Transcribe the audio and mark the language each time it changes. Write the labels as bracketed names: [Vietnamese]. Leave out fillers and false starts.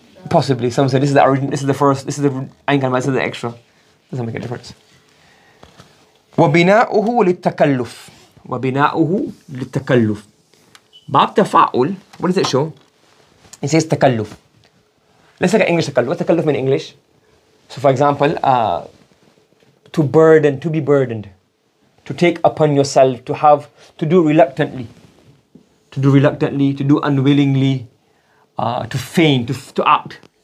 [English] Possibly, some say this is the origin, this is the first, this is the ayn kalma, this is the extra. Doesn't make a difference. [Arabic] وبناؤه للتكلف وبناؤه للتكلف باب تفاعل. [English] What does it show? It says تكلف. Let's look at English تكلف. What's تكلف in English? So for example, to burden, to be burdened, to take upon yourself, to have, to do reluctantly, to do reluctantly, to do unwillingly, to feign, to act.